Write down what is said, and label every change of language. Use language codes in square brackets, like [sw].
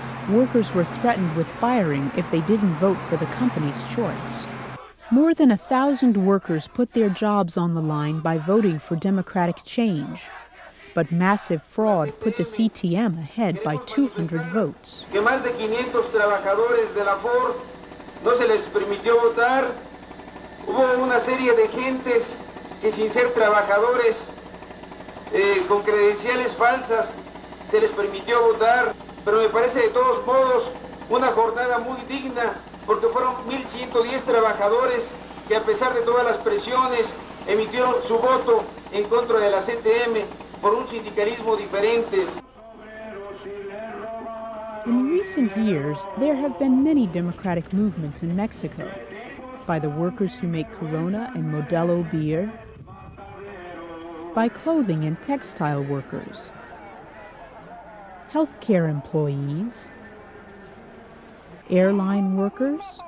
[en] Workers were threatened with firing if they didn't vote for the company's choice. More than 1,000 workers put their jobs on the line by voting for democratic change. But massive fraud put the CTM ahead by 200 votes. [es] Que más de 500 trabajadores de la Ford no se les permitió votar. Hubo una serie de gentes que sin ser trabajadores, con credenciales falsas, se les permitió votar. Pero me parece de todos modos una jornada muy digna, porque fueron 1,110 trabajadores que a pesar de todas las presiones emitieron su voto en contra de la CTM por un sindicalismo diferente. [en] In recent years, there have been many democratic movements in Mexico, by the workers who make Corona and Modelo beer, by clothing and textile workers, healthcare employees, airline workers,